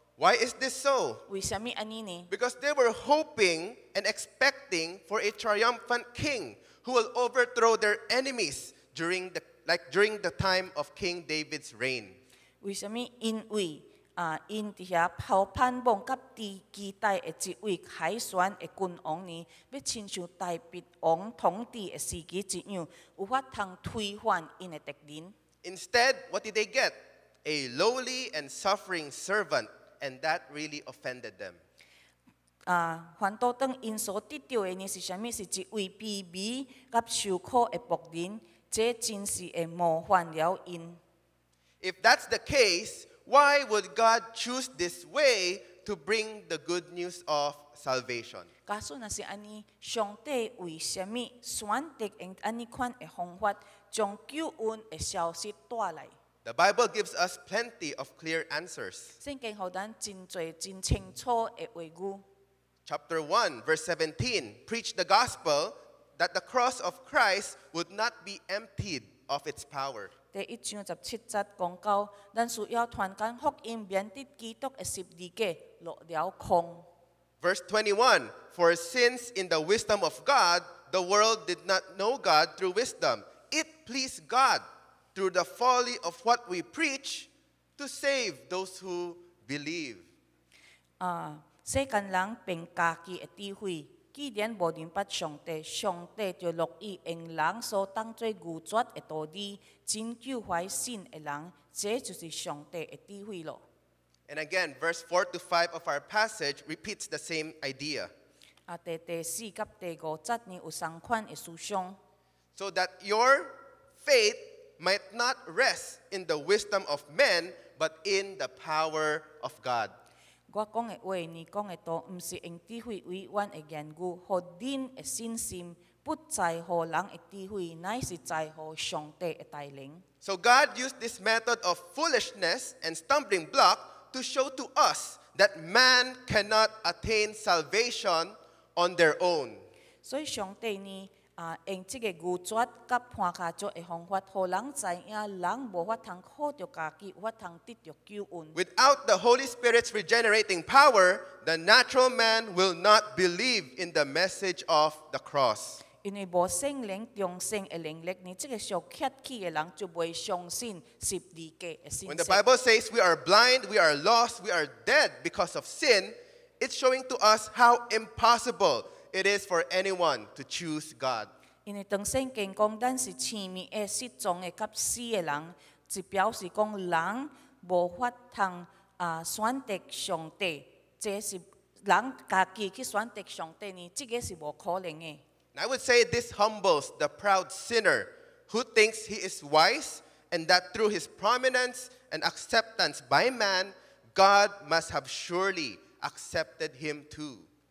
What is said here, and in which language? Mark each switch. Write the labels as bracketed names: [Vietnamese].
[English] Why is this so? [Min Nan Chinese] 为什么安尼呢？ [English] Because they were hoping and expecting for a triumphant king who will overthrow their enemies during the time of King David's reign. [Min Nan Chinese] 为什么？因为因伫遐抛盼望甲伫期待的一位凯旋的君王呢，要亲像大卫王统治的时期一样，有法通推翻因的敌人。 [English] Instead, what did they get? A lowly and suffering servant, and that really offended them. [Min Nan Chinese] 反倒当因所得到的呢是啥物？是一位卑微甲受苦的仆人，这真是会冒犯了因。 [English] If that's the case,Why would God choose this way to bring the good news of salvation? [Min Nan Chinese] 假设那是安尼，上帝为什么选择用安尼款的方法将救恩的消息带来？ [English] The Bible gives us plenty of clear answers. [Min Nan Chinese] 圣经给咱真多真清楚的话语。 [English] Chapter 1, verse 17, preach the gospel that the cross of Christ would not be emptied of its power. [Min Nan Chinese] 第一章十七节讲到，咱需要传讲福音，免得基督的十字架落了空。 [English] Verse 21, for since in the wisdom of God, the world did not know God through wisdom, it pleased God through the folly of what we preach to save those who believe. [Min Nan Chinese] 世间人凭家己的智慧，既然无认捌上帝，上帝就乐意用人所当作愚拙的道理。拯救怀信的人，这就是上帝的智慧咯。 [English] And again, verse 4-5 of our passage repeats the same idea. [Min Nan Chinese] 第四甲第五节呢有相款的思想。 [English] So that your faith might not rest in the wisdom of men, but in the power of God. [Min Nan Chinese] 我讲的话呢，讲的都唔是用智慧委婉的言语，乎恁的信心。不在乎人的智慧，乃是在乎上帝的带领。 [English] So God used this method of foolishness and stumbling block to show to us that man cannot attain salvation on their own. [Min Nan Chinese] 所以上帝呢，用这个愚拙甲判卡做的方法，乎人知影人无法通靠着家己，无法通得着救恩。 [English] Without the Holy Spirit's regenerating power, the natural man will not believe in the message of the cross. [Min Nan Chinese] 因为无圣灵重生的能力，你这个受瘸气的人就不会相信十字架的信息。 [English] When the Bible says we are blind, we are lost, we are dead because of sin, it's showing to us how impossible it is for anyone to choose God. [Min Nan Chinese] 因为当圣经讲咱是痴迷的、失踪的、甲死的人，就表示讲人无法通选择上帝，这是人家己去选择上帝呢，这个是无可能的。 [English] I would say this humbles the proud sinner who thinks he is wise and that through his prominence and acceptance by man, God must have surely accepted him too.